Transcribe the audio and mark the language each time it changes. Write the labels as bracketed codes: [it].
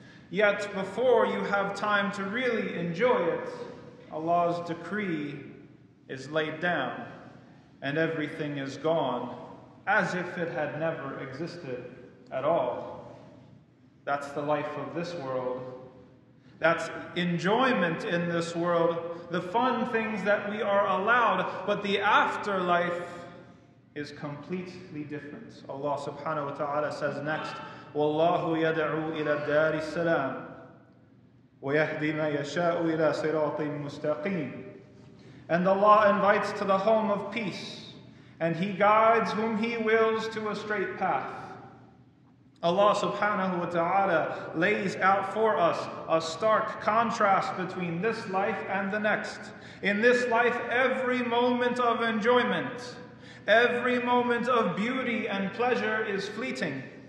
[en] Yet before you have time to really enjoy it, Allah's decree is laid down and everything is gone as if it had never existed at all. That's the life of this world. That's enjoyment in this world, the fun things that we are allowed, but the afterlife is completely different. Allah subhanahu wa ta'ala says next, [ar] وَاللَّهُ يَدْعُو إِلَى الدَّارِ السَّلَامِ وَيَهْدِي مَا يَشَاءُ إِلَى صِرَاطٍ مُسْتَقِيمٍ. [en] And Allah invites to the home of peace, and He guides whom He wills to a straight path. Allah subhanahu wa ta'ala lays out for us a stark contrast between this life and the next. In this life, every moment of enjoyment, every moment of beauty and pleasure is fleeting.